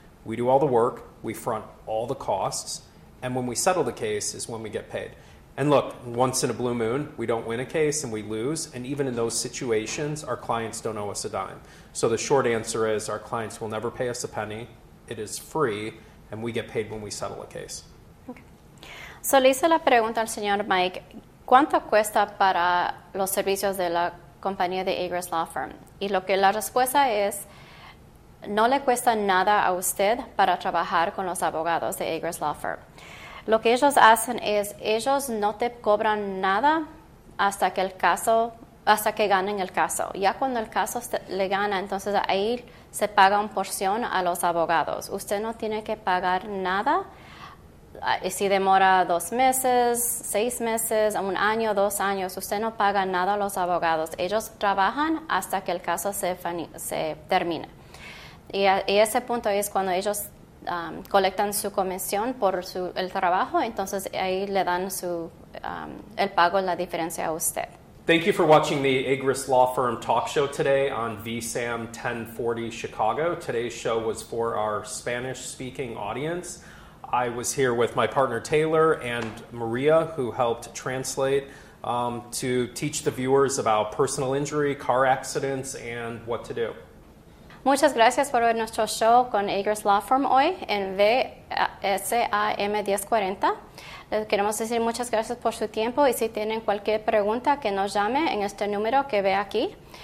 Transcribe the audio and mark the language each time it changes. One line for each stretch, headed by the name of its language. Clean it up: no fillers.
English: We do all the work, we front all the costs, and when we settle the case is when we get paid. And look, once in a blue moon, we don't win a case and we lose. And even in those situations, our clients don't owe us a dime. So the short answer is our clients will never pay us a penny. It is free, and we get paid when we settle a case. Okay.
Spanish: So le hice la pregunta al señor Mike, ¿cuánto cuesta para los servicios de la compañía de Agruss Law Firm? Y lo que la respuesta es, no le cuesta nada a usted para trabajar con los abogados de Agruss Law Firm. Lo que ellos hacen es, ellos no te cobran nada hasta que ganen el caso. Ya cuando el caso le gana, entonces ahí se paga una porción a los abogados. Usted no tiene que pagar nada. Si demora 2 meses, 6 meses, 1 año, 2 años, usted no paga nada a los abogados. Ellos trabajan hasta que el caso se termine. Y ese punto es cuando ellos colectan su comisión por el trabajo, entonces ahí le dan el pago, la diferencia a usted.
English: Thank you for watching the Agruss Law Firm talk show today on VSAM 1040 Chicago. Today's show was for our Spanish-speaking audience. I was here with my partner Taylor and Maria, who helped translate to teach the viewers about personal injury, car accidents, and what to do.
Spanish: Muchas gracias por ver nuestro show con Agruss Law Firm hoy en VSAM 1040. Les queremos decir muchas gracias por su tiempo, y si tienen cualquier pregunta, que nos llame en este número que ve aquí.